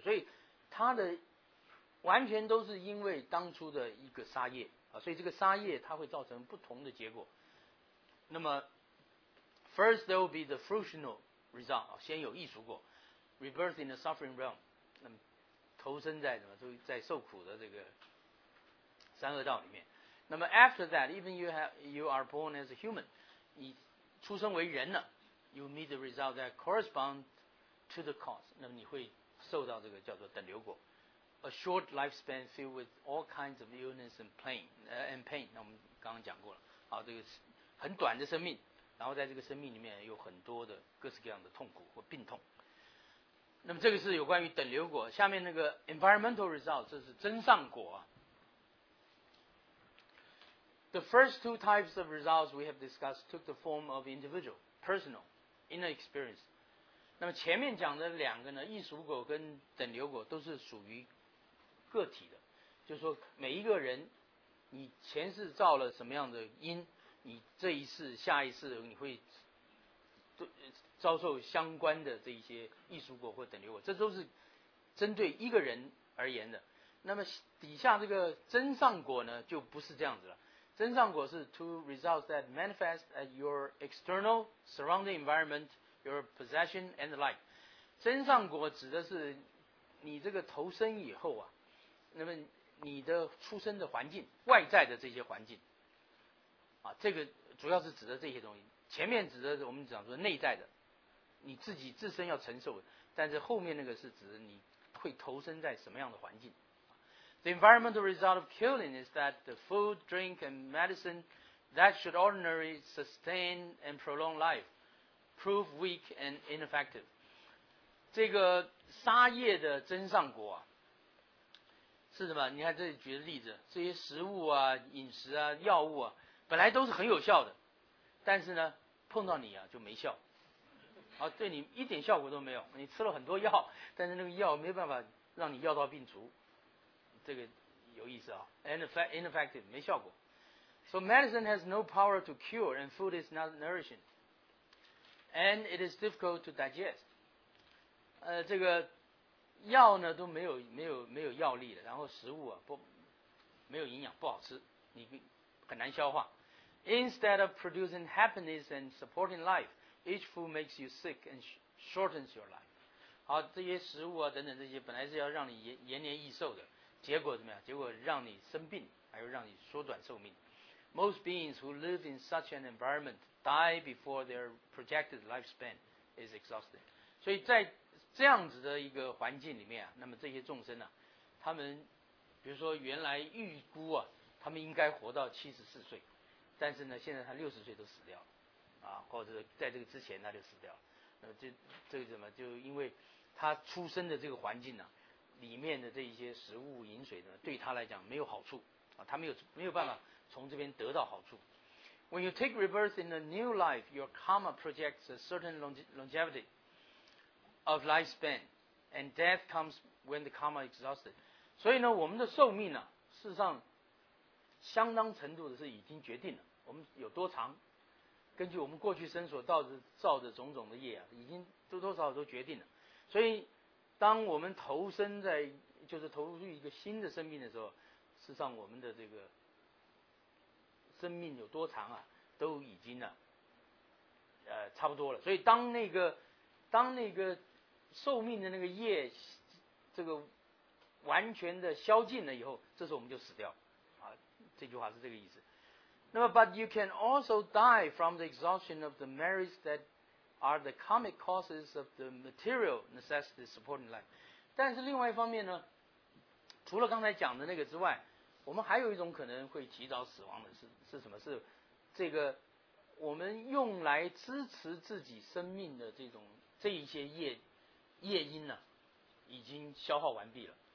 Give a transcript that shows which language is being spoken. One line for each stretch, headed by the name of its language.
Chinese: 所以它的完全都是因为当初的一个杀业啊，所以这个杀业它会造成不同的结果。那么
English: ，first there will be the fruitional result，
Chinese: 先有异俗果
English: ，rebirth in the suffering realm，
Chinese: 那么投身在什么？就在受苦的这个三恶道里面。那么
English: after that, even you are born as a human,
Chinese: 你出生为人了
English: ，you meet the result that corresponds to the cause.
Chinese: 那么你会受到这个叫做等流果
English: ，a short lifespan filled with all kinds of illness and pain.
Chinese: 那我们刚刚讲过了，啊，这个很短的生命，然后在这个生命里面有很多的各式各样的痛苦或病痛。那么这个是有关于等流果，下面那个
English: environmental result，
Chinese: 这是增上果。
English: The first two types of results we have discussed took the form of individual, personal, inner experience.
Chinese: 那么前面讲的两个呢，异俗果跟等流果都是属于个体的，就是说每一个人，你前世造了什么样的因，你这一世、下一世你会遭受相关的这一些异俗果或等流果，这都是针对一个人而言的。那么底下这个增上果呢，就不是这样子了。增上果是
English: two results that manifest at your external surrounding environment, your possession and the like.
Chinese: 增上果指的是你这个投身以后啊，那么你的出生的环境，外在的这些环境，啊，这个主要是指的这些东西。前面指的是我们讲说内在的，你自己自身要承受的，但是后面那个是指你会投身在什么样的环境。
English: The environmental result of killing is that the food, drink, and medicine that should ordinarily sustain and prolong life prove weak and ineffective.
Chinese: 这个杀业的增上果啊，是什么？你看这里举的例子，这些食物啊、饮食啊、药物啊，本来都是很有效的，但是呢，碰到你啊就没效，啊，对你一点效果都没有。你吃了很多药，但是那个药没办法让你药到病除。这个有意思啊 ，ineffective 没效果。
English: So medicine has no power to cure, and food is not nourishing, and it is difficult to digest.
Chinese: 这个药呢都没有药力了，然后食物啊不没有营养，不好吃，你很难消化。
English: Instead of producing happiness and supporting life, each food makes you sick and shortens your life.
Chinese: 好，这些食物啊等等这些本来是要让你延年益寿的。结果怎么样？结果让你生病，还有让你缩短寿命。
English: Most beings who live in such an environment die before their projected lifespan is exhausted.
Chinese: 所以在这样子的一个环境里面啊，那么这些众生啊，他们比如说原来预估啊，他们应该活到74岁，但是呢，现在他60岁都死掉了，啊，或者在这个之前他就死掉了。那么这个怎么就因为他出生的这个环境呢、啊？里面的这一些食物饮水呢，对他来讲没有好处啊，他没有办法从这边得到好处。
English: When you take rebirth in a new life, your karma projects a certain longevity of lifespan, and death comes when the karma is exhausted.
Chinese: 所以呢，我们的寿命呢、啊，事实上相当程度的是已经决定了我们有多长，根据我们过去生所造的种种的业啊，已经多少都决定了，所以。当我们投身在就是投入一个新的生命的时候，事实上我们的这个生命有多长啊都已经呢、差不多了，所以当那个寿命的那个业这个完全的消尽了以后，这时候我们就死掉啊，这句话是这个意思。那么
English: but you can also die from the exhaustion of the merits thatare the karmic causes of the material necessity supporting life.
Chinese: 但是另外一方面呢，除了刚才讲的那个之外，我们还有一种可能会提早死亡的是什么？是这个我们用来支持自己生命的这一些业因呢、啊、已经消耗完毕了。